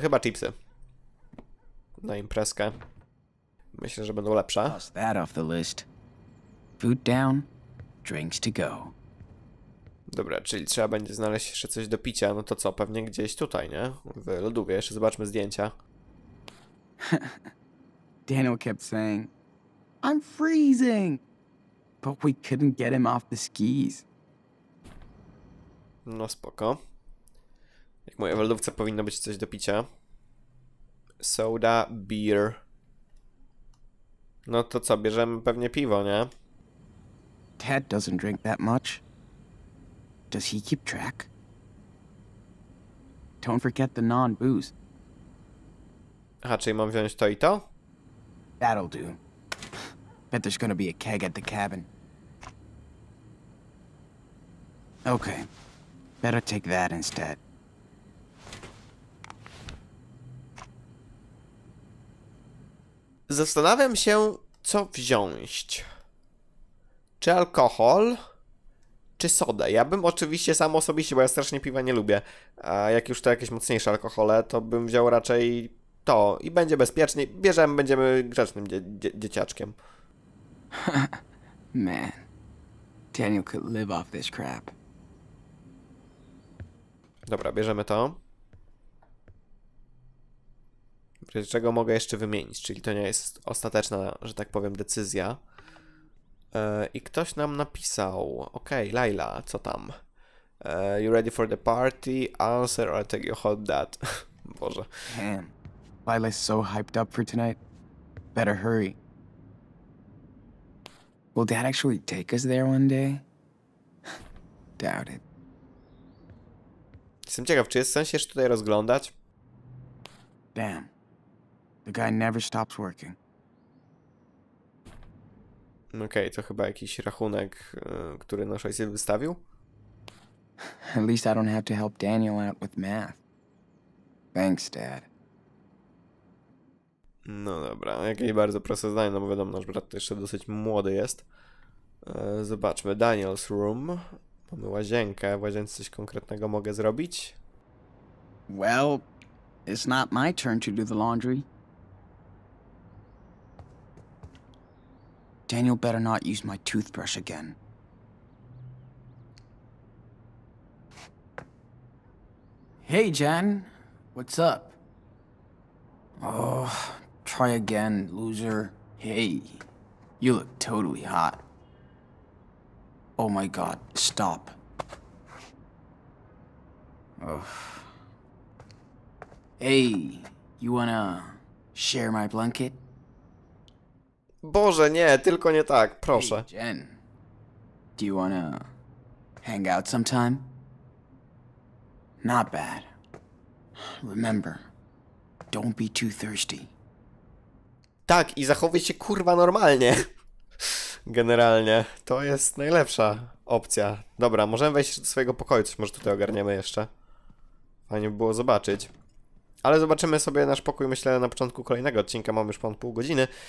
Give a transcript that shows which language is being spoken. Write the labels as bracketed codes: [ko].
[pl] Chyba chipsy. Na imprezkę. Myślę, że będą lepsze. [en] That off the list. Food down, drinks to go. [pl] Dobra, czyli trzeba będzie znaleźć jeszcze coś do picia. No to co, pewnie gdzieś tutaj, nie? W lodówce. Jeszcze zobaczmy zdjęcia. [en] Daniel kept saying, I'm freezing! But we couldn't get him off the skis. [pl] No spoko. Jak mówię, w lodówce powinno być coś do picia. [en] Soda, beer. [pl] No to co, bierzemy pewnie piwo, nie? [en] Ted doesn't drink that much. Does he keep track? Don't forget the non-booze. [pl] Aha, czyli mam wziąć to i to? [en] That'll do. Bet there's gonna be a keg at the cabin. Okay. Better take that instead. [pl] Zastanawiam się, co wziąć. Czy alkohol? Czy sodę? Ja bym oczywiście sam osobiście, bo ja strasznie piwa nie lubię, a jak już to jakieś mocniejsze alkohole, to bym wziął raczej to i będzie bezpieczniej. Bierzemy, będziemy grzecznym dzieciaczkiem. Man, Daniel could live off this crap. Dobra, bierzemy to. Czego mogę jeszcze wymienić? Czyli to nie jest ostateczna, że tak powiem, decyzja. I ktoś nam napisał. Okej, okay, Laila, co tam? [en] You ready for the party? Answer or take your hot dad. [pl] Boże. [en] Damn. Laila's so hyped up for tonight. Better hurry. Will dad actually take us there one day? Doubt it. [pl] Jestem ciekaw, czy jest sens jeszcze tutaj rozglądać? [en] Damn. The guy never stops working. [pl] Okej, okay, to chyba jakiś rachunek, który nasz ojciec wystawił? [en] At least I don't have to help Daniel out with math. Thanks, Dad. [pl] No dobra, jakieś bardzo proste zdanie, no bo wiadomo, nasz brat jeszcze dosyć młody jest. Zobaczmy, Daniel's room. Mamy łazienkę, w łazience coś konkretnego mogę zrobić? [en] Well, it's not my turn to do the laundry. Daniel better not use my toothbrush again. Hey, Jen. What's up? Oh, try again, loser. Hey, you look totally hot. Oh my god, stop. Ugh. Hey, you wanna share my blanket? [pl] Boże, nie, tylko nie tak, proszę. [en] Hey, Jen, do you wanna hang out sometime? Not bad. Remember, don't be too thirsty. [pl] Tak, i zachowuj się kurwa normalnie. Generalnie, to jest najlepsza opcja. Dobra, możemy wejść do swojego pokoju, coś może tutaj ogarniemy jeszcze. Fajnie by było zobaczyć. Ale zobaczymy sobie nasz pokój, myślę, na początku kolejnego odcinka, mamy już ponad pół godziny.